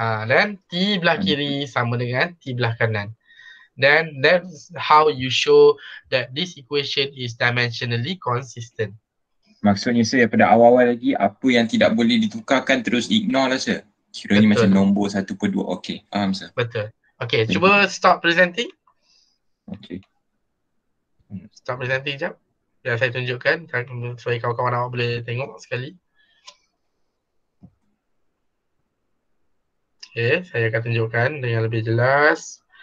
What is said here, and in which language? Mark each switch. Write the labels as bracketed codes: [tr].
[en] Then [ms] T belah kiri sama dengan T belah kanan. [en] Then that's how you show that this equation is dimensionally consistent. [ms] Maksudnya saya pada awal-awal lagi, apa yang tidak boleh ditukarkan terus ignore lah sir. Kiranya macam nombor 1/2. Okay, faham sir. Betul. [en] Okay, [ms] cuba [en] stop presenting. Okay. Stop presenting jap. [ms] Biar saya tunjukkan supaya kawan-kawan awak boleh tengok sekali. Okay, saya akan tunjukkan dengan lebih jelas.